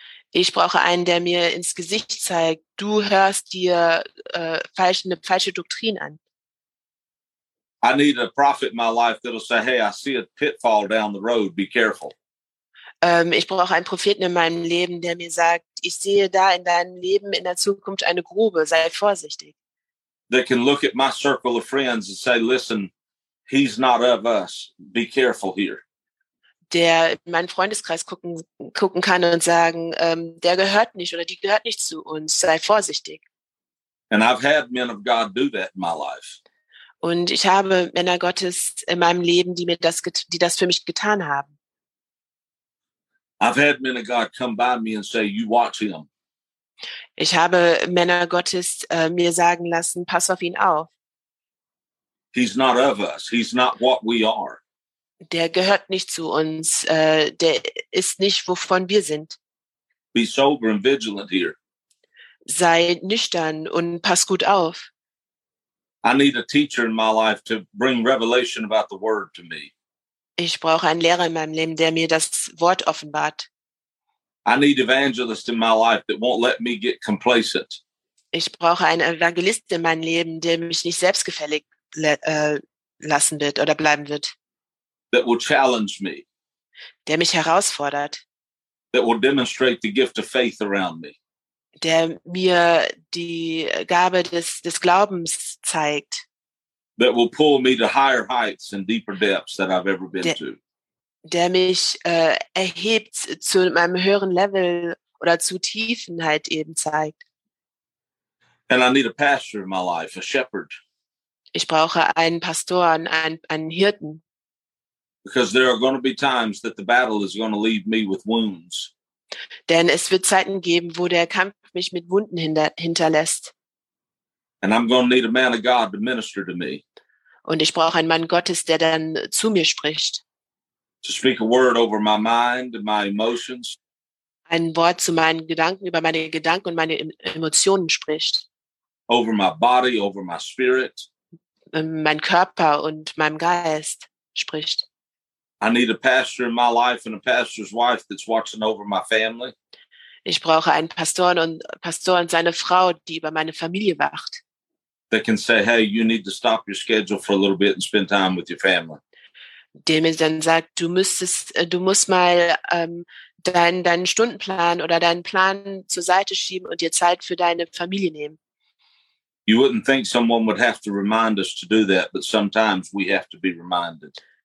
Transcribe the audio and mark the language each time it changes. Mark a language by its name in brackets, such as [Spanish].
[German] Ich brauche einen, der mir ins Gesicht zeigt, du hörst dir eine falsche Doktrin an. [English] I need a prophet in my life that'll say, hey, I see a pitfall down the road, be careful. [German] Ich brauche einen Propheten in meinem Leben, der mir sagt, ich sehe da in deinem Leben in der Zukunft eine Grube, sei vorsichtig. [English] They can look at my circle of friends and say, listen, he's not of us, be careful here. [German] Der in meinen Freundeskreis gucken kann und sagen, der gehört nicht oder die gehört nicht zu uns, sei vorsichtig. [English] And I've had men of God do that in my life. [German] Und ich habe Männer Gottes in meinem Leben, die das für mich getan haben. [English] I've had men of God come by me and say, you watch him. [German] Ich habe Männer Gottes mir sagen lassen, pass auf ihn auf. [English] He's not of us. He's not what we are. [German] Der gehört nicht zu uns. Der ist nicht, wovon wir sind. [English] Be sober and vigilant here. [German] Sei nüchtern und pass gut auf. [English] I need a teacher in my life to bring revelation about the word to me. [German] Ich brauche einen Lehrer in meinem Leben, der mir das Wort offenbart. [English] I need evangelists in my life that won't let me get complacent. [German] Ich brauche einen Evangelist in meinem Leben, der mich nicht selbstgefällig lassen wird oder bleiben wird. [English] That will challenge me. [German] Der mich herausfordert. [English] That will demonstrate the gift of faith around me. [German] Der mir die Gabe des Glaubens zeigt. [English] That will pull me to higher heights and deeper depths that I've ever been to. [German] Der mich erhebt zu meinem höheren Level oder zu Tiefen halt eben zeigt. [English] And I need a pastor in my life, a shepherd. [German] Ich brauche einen Pastor, einen Hirten. [English] Because there are going to be times that the battle is going to leave me with wounds. [German] Denn es wird Zeiten geben, wo der Kampf mich mit Wunden hinterlässt. [English] And I'm going to need a man of God to minister to me. [German] Und ich brauche einen Mann Gottes, der dann zu mir spricht. [English] To speak a word over my mind and my emotions. [German] Ein Wort zu meinen Gedanken, über meine Gedanken und meine Emotionen spricht. [English] Over my body, over my spirit. [German] Mein Körper und meinem Geist spricht. [English] I need a pastor in my life and a pastor's wife that's watching over my family. [German] Ich brauche einen Pastor und seine Frau, die über meine Familie wacht. [English] They can say, hey, you need to stop your schedule for a little bit and spend time with your family. [German] Der mir dann sagt, du musst mal deinen Stundenplan oder deinen Plan zur Seite schieben und dir Zeit für deine Familie nehmen. [English] You wouldn't think someone would have to remind us to do that, but sometimes we have to be reminded.